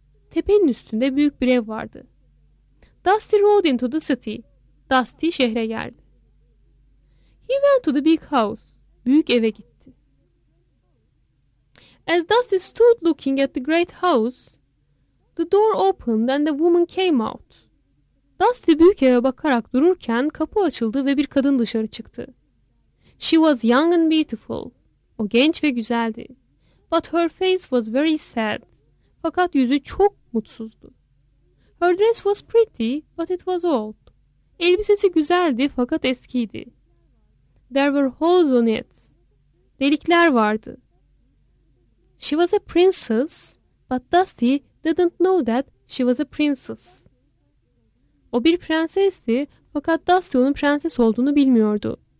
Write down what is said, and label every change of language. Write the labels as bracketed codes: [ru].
[tr] Tepenin üstünde büyük bir ev vardı. [en] Dusty rode into the city. [tr] Dusty şehre geldi. [en] He went to the big house. [tr] Büyük eve gitti. [en] As Dusty stood looking at the great house, the door opened and a woman came out. [tr] Dusty büyük eve bakarak dururken kapı açıldı ve bir kadın dışarı çıktı. [en] She was young and beautiful. [tr] O genç ve güzeldi. [en] But her face was very sad. [tr] Fakat yüzü çok mutsuzdu. [en] Her dress was pretty, but it was old. [tr] Elbisesi güzeldi fakat eskiydi. [en] There were holes on it. [tr] Delikler vardı. [en] She was a princess, but Dusty didn't know that she was a princess. [tr] O bir prensesti fakat Dusty onun prenses olduğunu bilmiyordu.